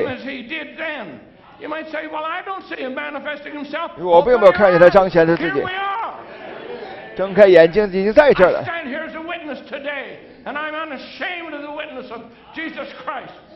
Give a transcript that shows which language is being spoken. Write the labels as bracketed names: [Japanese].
[English] As he did then, you might say, "Well, I don't see him manifesting himself." [Chinese] 我并没有看见他彰显他自己。 [English] Here we are. [Chinese] 睁开眼睛，已经在这儿了。 [English] I stand here as a witness today, and I'm unashamed of the witness of Jesus Christ.